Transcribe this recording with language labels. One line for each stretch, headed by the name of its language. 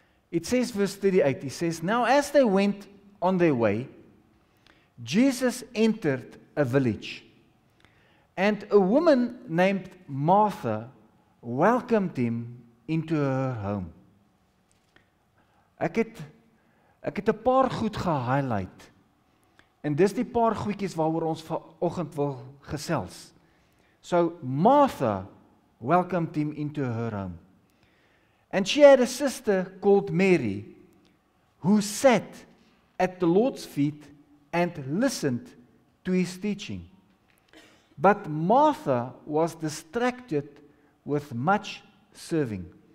English: It says, verse 38, he says, now as they went on their way, Jesus entered a village, and a woman named Martha welcomed him into her home.
Afrikaans: Ek het 'n paar goed ge-highlight, en dis die paar goedjies waaroor ons vanoggend wil gesels.
English: So Martha welcomed him into her home. And she had a sister called Mary, who sat at the Lord's feet and listened to his teaching. But Martha was distracted with much serving.